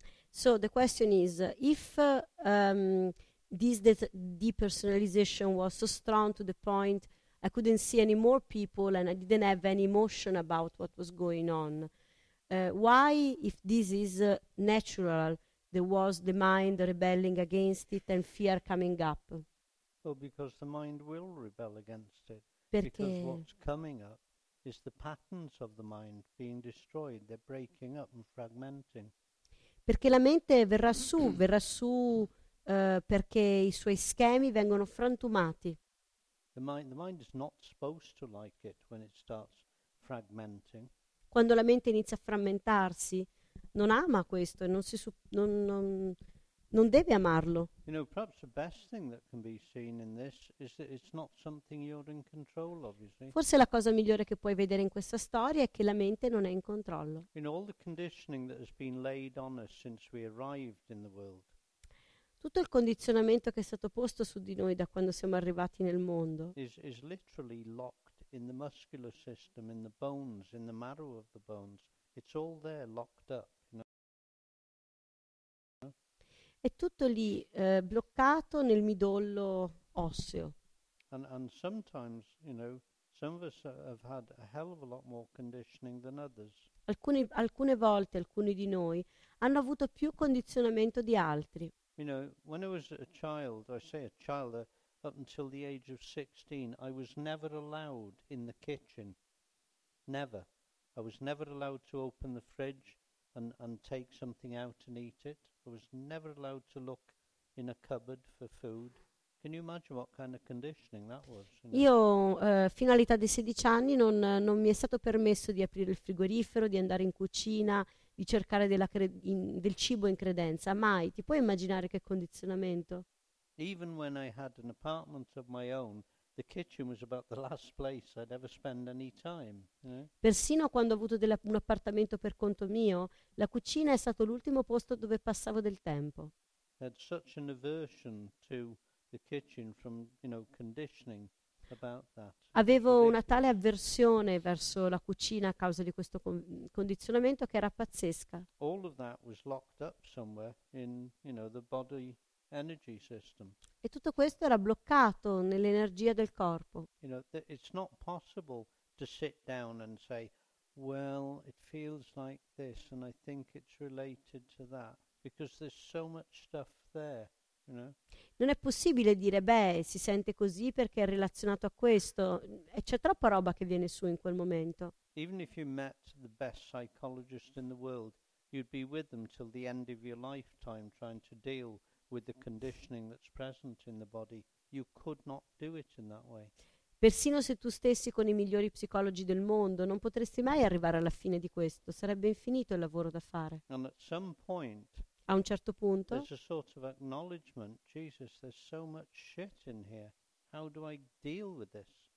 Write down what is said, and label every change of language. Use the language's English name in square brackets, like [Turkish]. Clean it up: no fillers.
[English] So the question is, if this depersonalization was so strong to the point I couldn't see any more people and I didn't have any emotion about what was going on, why, if this is natural, there was the mind rebelling against it and fear coming up? Well, because the mind will rebel against it. [Italian] Perché? [English] Because what's coming up is the patterns of the mind being destroyed. They're breaking up and fragmenting. [Italian] Perché la mente verrà su perché i suoi schemi vengono frantumati. [English] The mind is not supposed to like it when it starts fragmenting. [Italian] Quando la mente inizia a frammentarsi, non ama questo e non deve amarlo. [English] You know, perhaps the best thing that can be seen in this is that it's not something you're in control of, you see. [Italian] Forse la cosa migliore che puoi vedere in questa storia è che la mente non è in controllo. [English] In all the conditioning that has been laid on us since we arrived in the world. [Italian] Tutto il condizionamento che è stato posto su di noi da quando siamo arrivati nel mondo [English] is literally locked in the muscular system, in the bones, in the marrow of the bones. It's all there locked up. [Italian] È tutto lì bloccato nel midollo osseo. [English] And sometimes, you know, some of us have had a hell of a lot more conditioning than others. [Italian] Alcune volte di noi hanno avuto più condizionamento di altri. [English] You know, when I was a child, I say a child, up until the age of 16, I was never allowed in the kitchen. Never. I was never allowed to open the fridge. and take something out and eat it. I was never allowed to look in a cupboard for food. Can you imagine what kind of conditioning that was? [Italian] Io fino all'età dei 16 anni non mi è stato permesso di aprire il frigorifero, di andare in cucina, di cercare del cibo in credenza. Mai. Ti puoi immaginare che condizionamento? [English] Even when I had an apartment of my own, the kitchen was about the last place I'd ever spend any time. [Italian] Persino quando ho avuto un appartamento per conto mio, la cucina è stato l'ultimo posto dove passavo del tempo. [English] Had such an aversion to the kitchen from, you know, conditioning about that. [Italian] Avevo una tale avversione verso la cucina a causa di questo condizionamento che era pazzesca. [English] All of that was locked up somewhere in, you know, the body energy system. [Italian] E tutto questo era bloccato nell'energia del corpo. [English] You know, it's not possible to sit down and say, well, it feels like this and I think it's related to that, because there's so much stuff there. [Italian] Non è possibile dire, beh, si sente così perché è relazionato a questo, e c'è troppa roba che viene su in quel momento. [English] Even if you met the best psychologist in the world, you'd be with them till the end of your lifetime trying to deal with the conditioning that's present in the body. You could not do it in that way. [Italian] Persino se tu stessi con i migliori psicologi del mondo, non potresti mai arrivare alla fine di questo, sarebbe infinito il lavoro da fare. [English] And at some point, [Italian] a un certo punto, [English] there's a sort of acknowledgement, Jesus, there's so much shit in here, how do I deal with this?